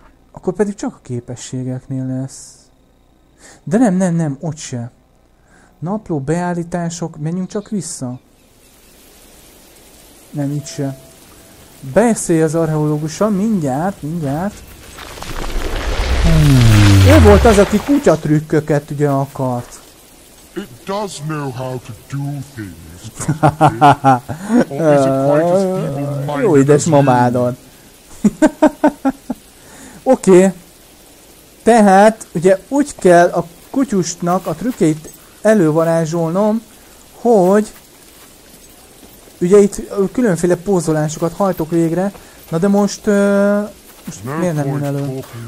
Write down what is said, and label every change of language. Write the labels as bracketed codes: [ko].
[hu] Akkor pedig csak a képességeknél lesz. De nem, ott se. Napló, beállítások, menjünk csak vissza. Nem, itt se. Beszélj az archeológussal, mindjárt. Ő volt az, aki kutyatrükköket ugye akart. [en] It does know how to do things, doesn't it? [hu] Jó, édes mamádon. Oké. Tehát, ugye úgy kell a kutyusnak a trükkét elővarázsolnom, hogy... Ugye itt különféle pózolásokat hajtok végre. Na de most... most no miért nem jön elő?